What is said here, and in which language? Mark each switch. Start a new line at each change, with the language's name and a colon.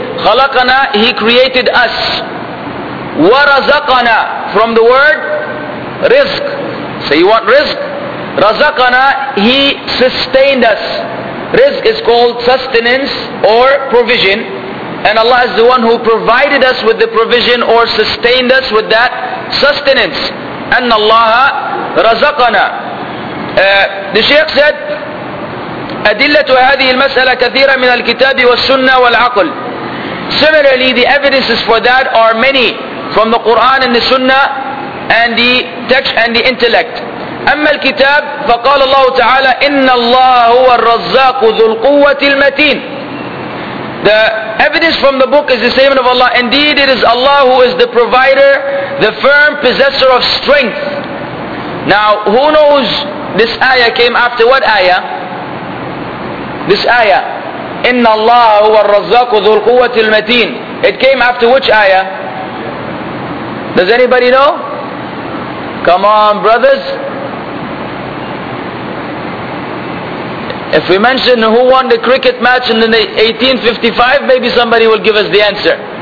English: خَلَقَنَا, He created us. وَرَزَقَنَا, from the word رِزْق. So you want رِزْق? رَزَقَنَا, He sustained us. Rizq is called sustenance or provision. And Allah is the one who provided us with the provision or sustained us with that sustenance.
Arabic: أَنَّ اللَّهَ رَزَقَنَا.
English: The Shaykh said,
Arabic: أَدِلَّةُ هَذِهِ الْمَسْأَلَةِ كَثِيرًا مِنَ الْكِتَابِ وَالسُّنَّةِ وَالْعَقْلِ.
English: Similarly, the evidences for that are many, from the Quran and the Sunnah and the text and the intellect.
Arabic: أما الكتاب فقال الله تعالى إن الله هو الرزاق ذو القوة المتين.
English: The evidence from the book is the statement of Allah. Indeed, it is Allah who is the provider, the firm possessor of strength. Now, who knows this ayah came after what ayah? This ayah,
Arabic: إِنَّ اللَّهَ هُوَ الرَّزَّاقُ ذُو الْقُوَّةِ الْمَتِينَ.
English: It came after which ayah? Does anybody know? Come on, brothers. If we mention who won the cricket match in 1855, maybe somebody will give us the answer.